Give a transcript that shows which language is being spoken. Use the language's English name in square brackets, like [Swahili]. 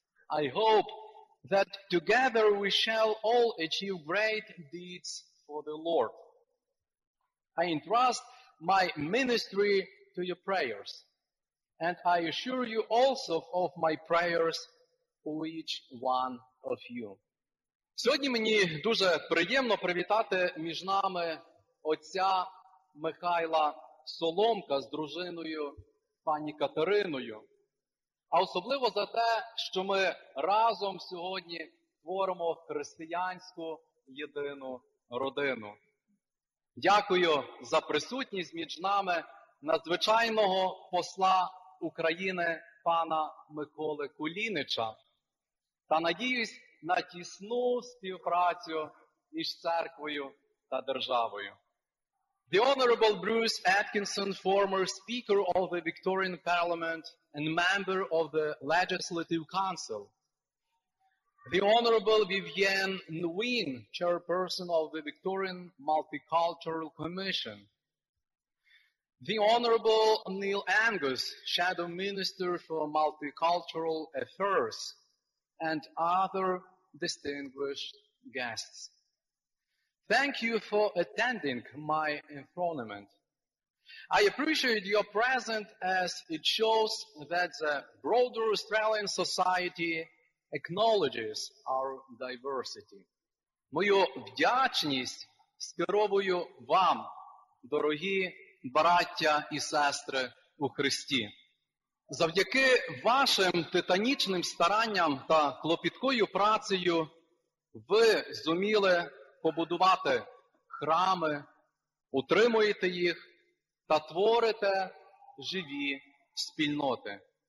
[English] I hope that together we shall all achieve great deeds for the Lord. I entrust my ministry to your prayers, and I assure you also of my prayers for each one of you. [Ukrainian] Сьогодні мені дуже приємно привітати між нами отця Михайла Соломка з дружиною пані Катериною. А особливо за те, що ми разом сьогодні творимо християнську єдину родину. Дякую за присутність між нами надзвичайного посла України пана Миколи Кулінича та надіюсь на тісну співпрацю між церквою та державою. [English] The Honorable Bruce Atkinson, former Speaker of the Victorian Parliament and member of the Legislative Council. The Honorable Vivienne Nguyen, Chairperson of the Victorian Multicultural Commission. The Honorable Neil Angus, Shadow Minister for Multicultural Affairs, and other distinguished guests. Thank you for attending my enthronement. I appreciate your presence as it shows that the broader Australian society acknowledges our diversity. [Ukrainian] Мою вдячність скеровую вам, дорогі браття і сестри у Христі. Завдяки вашим титанічним старанням та клопіткою працею ви зуміли побудувати храми, утримуєте їх та творите живі спільноти.